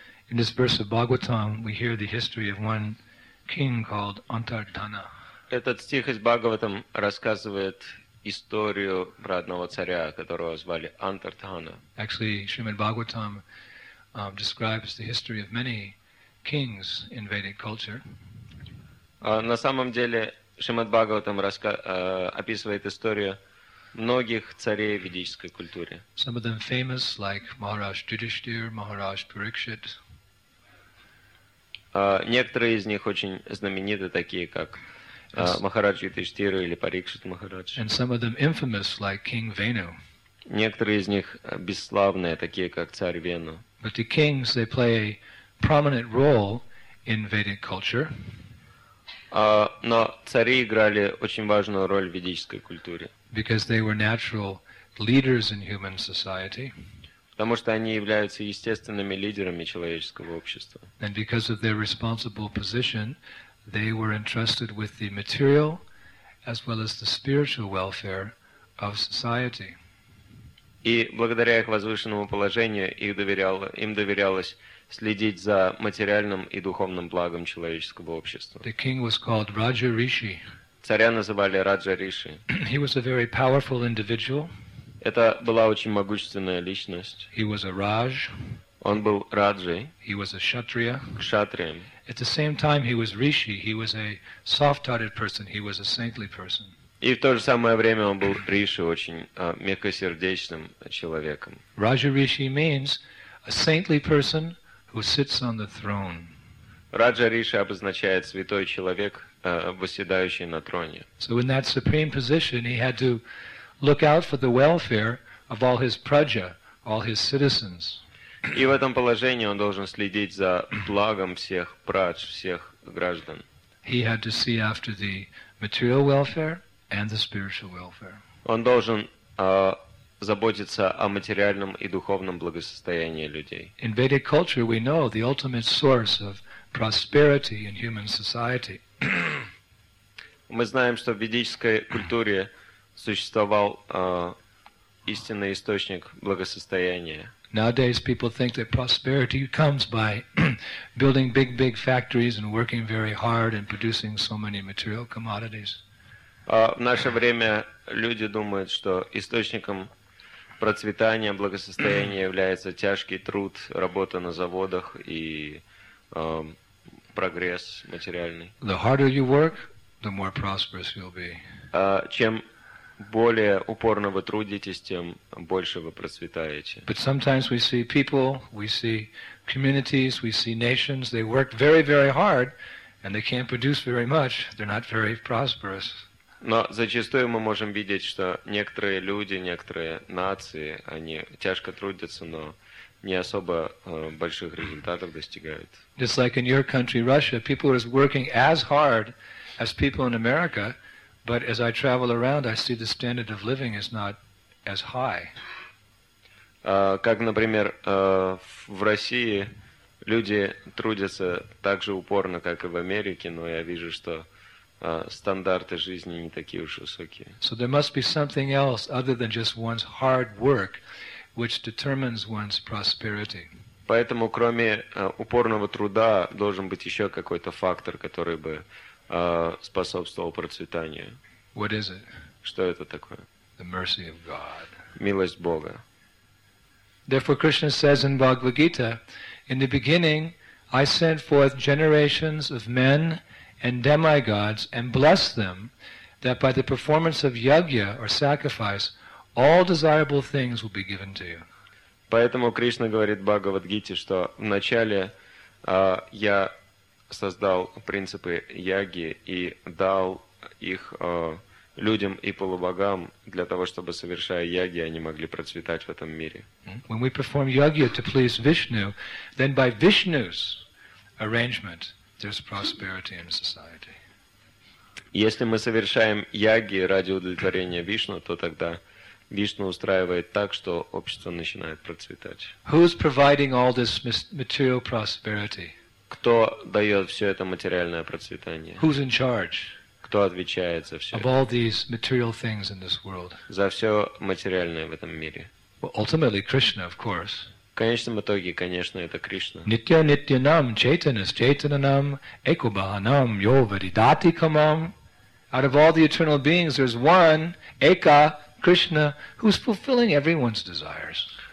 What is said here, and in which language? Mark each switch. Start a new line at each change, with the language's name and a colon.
English: In this verse of Bhagavatam, we hear the history of one king called Antardhana.
Russian: Этот стих из Бхагаватам рассказывает историю про одного царя, которого звали Антардхана.
English: Actually, Srimad Bhagavatam describes the history of many kings in Vedic culture.
Russian: На самом деле, Шримад Бхагаватам описывает историю многих царей в ведической культуре.
English: Some of them famous, like Maharaj Yudhishthir, Maharaj Parikshit.
Russian: Некоторые из них очень знамениты, такие как Махарадж Юдхиштхира или Парикшит Махарадж.
English: And some of them infamous, like King Venu.
Russian: Некоторые из них бесславные, такие как царь Вену.
English: But the kings, they play a prominent role in Vedic culture.
Russian: Но цари играли очень важную роль в ведической культуре.
English: Because they were natural leaders in human society.
Russian: Потому что они являются естественными лидерами человеческого общества.
English: And because of their responsible position, they were entrusted with the material as well as the spiritual welfare of society.
Russian: И благодаря их возвышенному положению им доверялось следить за материальным и духовным благом человеческого общества.
English: The king was called Raja Rishi.
Russian: Царя называли Раджа Риши.
English: He was a very powerful individual.
Russian: Это была очень могущественная личность.
English: He was a Raj.
Russian: Он был Раджей.
English: He was a Kshatriya.
Russian: Кшатриям.
English: At the same time, he was Rishi. He was a soft-hearted person. He was a saintly person.
Russian: И в то же самое время он был Риши, очень мягкосердечным человеком.
English: Raja Rishi means a saintly person who sits on the throne.
Russian: Раджа Риши обозначает святой человек, восседающий на троне.
English: So in that supreme position, he had to look out for the welfare of all his praja, all his citizens.
Russian: И в этом положении он должен следить за благом всех прадж, всех граждан.
English: He had to see after the material welfare and the spiritual welfare.
Russian: Он должен заботиться о материальном и духовном благосостоянии людей.
English: In Vedic culture, we know the ultimate source of prosperity in human society.
Russian: Мы знаем, что в ведической культуре существовал истинный источник благосостояния.
English: Nowadays people think that prosperity comes by building big, big factories and working very hard and producing so many material commodities.
Russian: В наше время люди думают, что источником процветания, благосостояния является тяжкий труд, работа на заводах и прогресс материальный.
English: The harder you work, the more prosperous you'll be.
Russian: Чем более упорно вы трудитесь, тем больше вы процветаете.
English: But sometimes we see people, we see communities, we see nations, they work very, very hard, and they can't produce very much, they're not very prosperous.
Russian: Но зачастую мы можем видеть, что некоторые люди, некоторые нации, они тяжко трудятся, но не особо больших результатов достигают.
English: Just like in your country, Russia, people are working as hard as people in America, but as I travel around, I see the standard of living is not as high.
Russian: Как, например, в России люди трудятся так же упорно, как и в Америке, но я вижу, что стандарты жизни не такие уж высокие.
English: So there must be something else other than just one's hard work which determines one's prosperity.
Russian: Поэтому кроме упорного труда должен быть еще какой-то фактор, который бы способствовал процветанию.
English: What is it?
Russian: Что это такое?
English: The mercy of God.
Russian: Милость Бога.
English: Therefore Krishna says in Bhagavad Gita, in the beginning I sent forth generations of men and demigods and blessed them that by the performance of yajna or sacrifice all desirable things will be given to you.
Russian: Поэтому Кришна говорит в Бхагавад Гите, что вначале я создал принципы яги и дал их людям и полубогам для того, чтобы, совершая яги, они могли процветать в этом мире.
English: When we perform yajna to please Vishnu, then by Vishnu's arrangement, there's prosperity in society.
Russian: Если мы совершаем яги ради удовлетворения Вишну, то тогда Вишну устраивает так, что общество начинает процветать.
English: Who's providing all this material prosperity?
Russian: Кто дает все это материальное процветание?
English: Who's in charge?
Russian: Кто отвечает за все?
English: Of all these material things in this world.
Russian: За все материальное в этом мире.
English: Well, ultimately, Krishna, of course.
Russian: В конечном итоге, конечно, это Кришна.
Sanskrit: Nitya nitya nam chaitanas chaitananam ekubahanam yo vadidati kamam.
English: Out of all the eternal beings, there's one, Eka, Krishna, who's fulfilling everyone's desires.